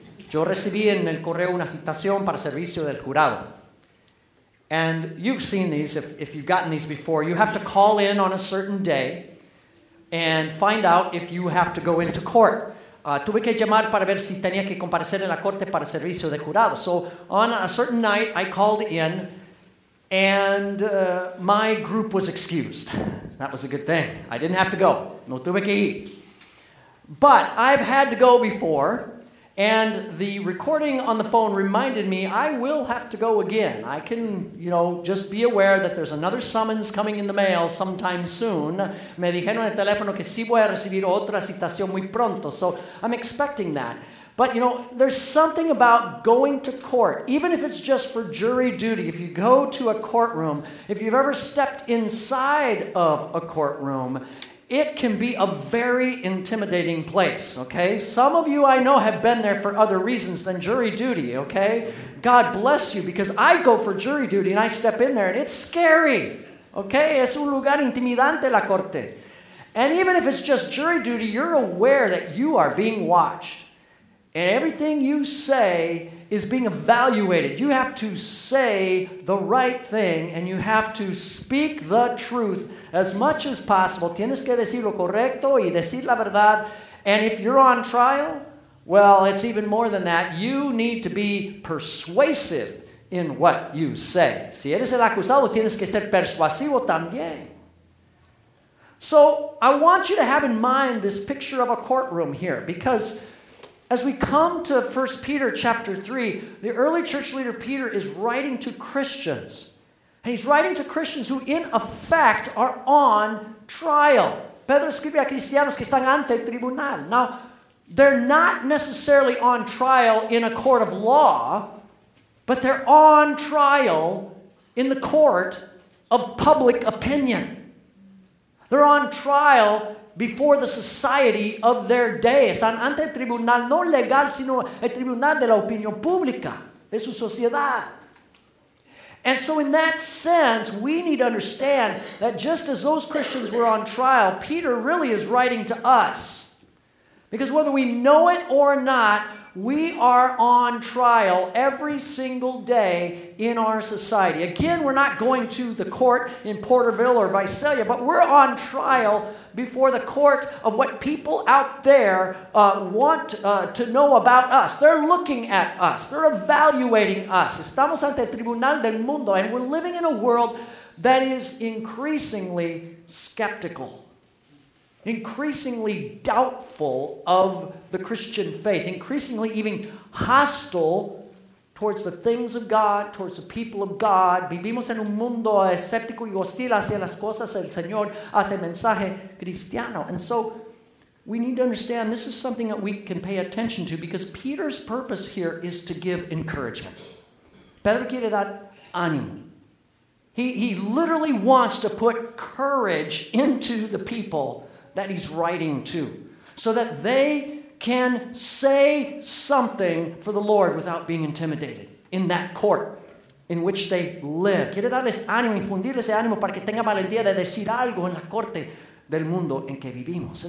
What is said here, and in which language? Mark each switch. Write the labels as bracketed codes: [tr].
[es] Yo recibí en el correo una citación para servicio del jurado. [en] And you've seen these, if you've gotten these before. You have to call in on a certain day and find out if you have to go into court. [es] Tuve que llamar para ver si tenía que comparecer en la corte para servicio de jurado. [en] So on a certain night, I called in, and my group was excused. That was a good thing. I didn't have to go. [es] No tuve que ir. [en] But I've had to go before, and the recording on the phone reminded me I will have to go again. I can, you know, just be aware that there's another summons coming in the mail sometime soon. [es] Me dijeron en el teléfono que sí voy a recibir otra citación muy pronto. [en] So I'm expecting that. But, you know, there's something about going to court, even if it's just for jury duty. If you go to a courtroom, if you've ever stepped inside of a courtroom, it can be a very intimidating place, okay? Some of you I know have been there for other reasons than jury duty, okay? God bless you, because I go for jury duty and I step in there and it's scary, okay? [es] Es un lugar intimidante la corte. [en] And even if it's just jury duty, you're aware that you are being watched. And everything you say is being evaluated. You have to say the right thing and you have to speak the truth as much as possible. [es] Tienes que decir lo correcto y decir la verdad. [en] And if you're on trial, well, it's even more than that. You need to be persuasive in what you say. [es] Si eres el acusado, tienes que ser persuasivo también. [en] So I want you to have in mind this picture of a courtroom here, because as we come to 1 Peter chapter 3, the early church leader Peter is writing to Christians. And he's writing to Christians who, in effect, are on trial. [es] Pedro escribe a cristianos que están ante tribunal. [en] Now, they're not necessarily on trial in a court of law, but they're on trial in the court of public opinion. They're on trial before the society of their day. [es] Están ante el tribunal, no legal, sino el tribunal de la opinión pública, de su sociedad. [en] And so in that sense, we need to understand that just as those Christians were on trial, Peter really is writing to us. Because whether we know it or not, We are on trial every single day in our society. Again, we're not going to the court in Porterville or Visalia, but we're on trial before the court of what people out there want to know about us. They're looking at us. They're evaluating us. [es] Estamos ante el tribunal del mundo, [en] and we're living in a world that is increasingly skeptical, increasingly doubtful of the Christian faith, increasingly even hostile towards the things of God, towards the people of God. [es] Vivimos en un mundo escéptico y hostil hacia las cosas del Señor, hacia el mensaje cristiano. [en] And so we need to understand this is something that we can pay attention to because Peter's purpose here is to give encouragement. [es] Pedro quiere dar ánimo. [en] He literally wants to put courage into the people that he's writing to so that they can say something for the Lord without being intimidated in that court in which they live. [es] Quiere darles ánimo, infundirles ánimo para que tengan valentía de decir algo en la corte del mundo en que vivimos.